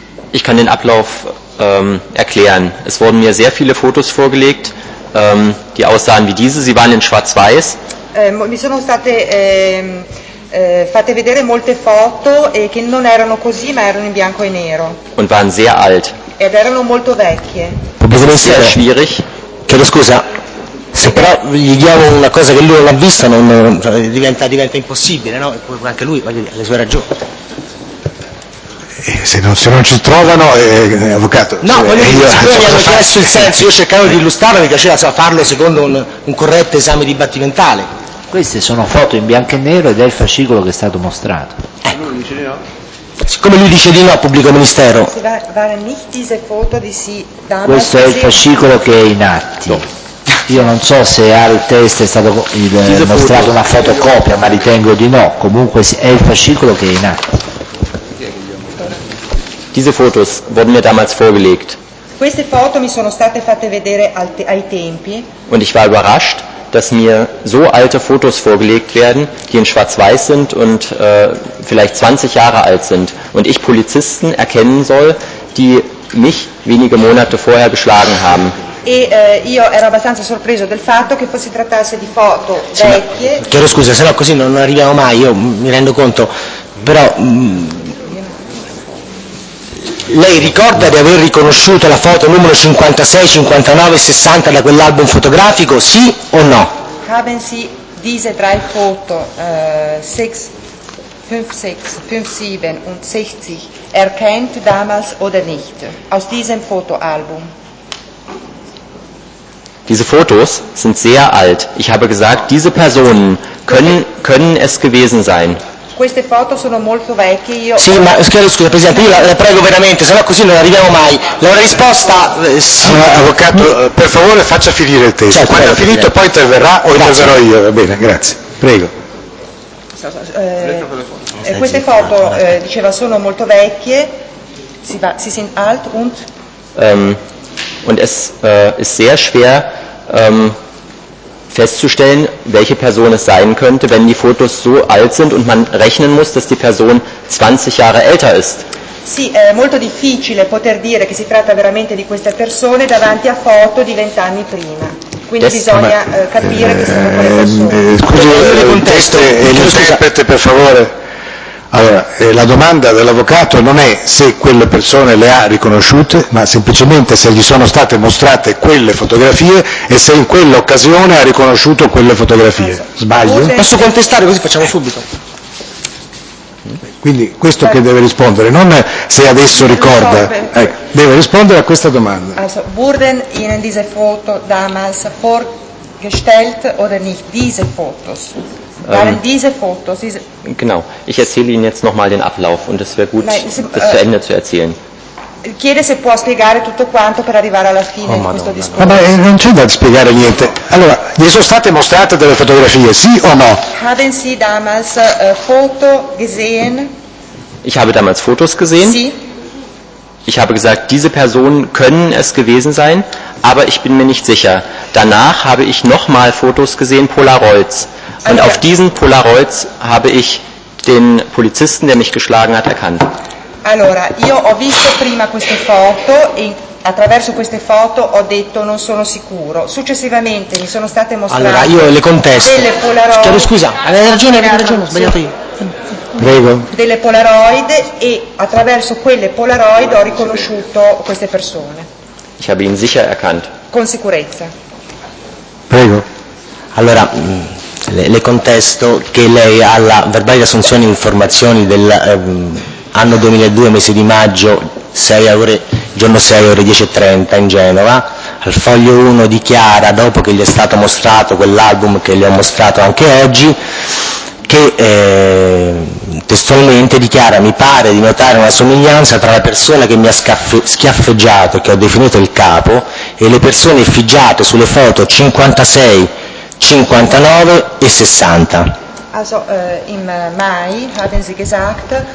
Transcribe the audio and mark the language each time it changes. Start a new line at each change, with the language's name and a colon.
German: Ich kann den Ablauf erklären. Es wurden mir sehr viele Fotos vorgelegt, die aussahen wie diese. Sie waren in Schwarz-Weiß.
Italian: Mi sono state fatte vedere molte foto che non erano così, ma erano in bianco e nero.
German: Und waren sehr alt.
Italian: Ed erano molto vecchie.
German: Sehr schwierig.
Italian: Chiedo scusa. Se però gli diamo una cosa che lui non ha vista, non, diventa impossibile, no? Anche lui, voglio dire, ha le sue ragioni. Se non ci trovano, avvocato. No, voglio dire, mi hanno chiesto il senso, io cercavo di illustrarlo, mi piaceva farlo secondo un corretto esame dibattimentale. Queste sono foto in bianco e nero ed è il fascicolo che è stato mostrato. Ecco. Lui dice di no. Siccome lui dice di no, pubblico ministero. Questo è il fascicolo che è in atti. No. Io non so se al test è stato mostrato una fotocopia, ma ritengo di no. Comunque è il fascicolo che è in atti.
German: Diese Fotos wurden mir damals vorgelegt.
Italian: Queste foto mi sono state fatte vedere ai tempi.
German: Und ich war überrascht, dass mir so alte Fotos vorgelegt werden, die in Schwarz-Weiß sind und vielleicht 20 Jahre alt sind. Und ich Polizisten erkennen soll, die mich wenige Monate vorher geschlagen haben.
Italian: E io ero abbastanza sorpreso del fatto che si trattasse di foto vecchie. Sì, chiedo scusa, se no così non arriviamo mai, io mi rendo conto. Però... lei ricorda di aver riconosciuto la foto numero 56, 59, 60 da quell'album fotografico, sì o no?
German: Haben Sie diese drei Foto 56, 57 und 60 erkannt damals oder nicht aus diesem Fotoalbum? Diese Fotos sind sehr alt. Ich habe gesagt, diese Personen können es gewesen sein.
Italian: Queste foto sono molto vecchie, io... Sì, ma scusa Presidente, io la prego veramente, sennò così non arriviamo mai. La risposta... sì. Avvocato, per favore faccia finire il testo. Certo, quando prego, ha finito poi interverrà o interverrò io. Va bene, grazie. Prego. Queste foto, diceva, sono molto vecchie.
German: Sie sind alt und... Und es ist sehr schwer... festzustellen, welche Person es sein könnte, wenn die Fotos so alt sind und man rechnen muss, dass die Person 20 Jahre älter ist.
Italian: Sì, è molto difficile poter dire che si tratta veramente di queste persone davanti a foto di 20 anni prima. Quindi bisogna capire che sono quelle persone. Scusi, il testo e l'interprete, per favore. Allora, la domanda dell'avvocato non è se quelle persone le ha riconosciute, ma semplicemente se gli sono state mostrate quelle fotografie e se in quell'occasione ha riconosciuto quelle fotografie. Sbaglio? Posso contestare, così facciamo subito. Quindi questo che deve rispondere, non se adesso ricorda, deve rispondere a questa domanda.
German: Wurden in diese foto damals vorgestellt oder nicht diese Fotos? Diese Fotos, diese... Genau, ich erzähle Ihnen jetzt nochmal den Ablauf und es wäre gut, das zu Ende zu erzählen.
Italian: Chiede se può spiegare tutto quanto per arrivare alla fine di questo discorso. Ma non c'è da spiegare niente. Allora, gli sono state mostrate delle fotografie, sì o no?
German: Haben Sie damals Foto gesehen? Ich habe damals Fotos gesehen.
Italian: Sì.
German: Ich habe gesagt, diese Personen können es gewesen sein, aber ich bin mir nicht sicher. Danach habe ich nochmal Fotos gesehen, Polaroids. Und auf diesen Polaroids habe ich den Polizisten, der mich geschlagen hat, erkannt.
Italian: Allora, io ho visto prima queste foto e attraverso queste foto ho detto non sono sicuro. Successivamente mi sono state mostrate. Allora, io le contesto. Delle Polaroid. Chiedo scusa, hai ragione, ho sbagliato io. Prego. Delle Polaroid e attraverso quelle Polaroid ho riconosciuto queste persone.
German: Ich habe ihn sicher erkannt.
Italian: Con sicurezza. Prego. Allora, le contesto che lei alla verbale di assunzione informazioni del anno 2002, mese di maggio, giorno 6 ore 10:30 in Genova, al foglio 1 dichiara, dopo che gli è stato mostrato quell'album che le ho mostrato anche oggi, che testualmente dichiara: mi pare di notare una somiglianza tra la persona che mi ha schiaffeggiato, che ho definito il capo, e le persone effigiate sulle foto 56, 59 e 60.
German: Also im Mai haben Sie gesagt,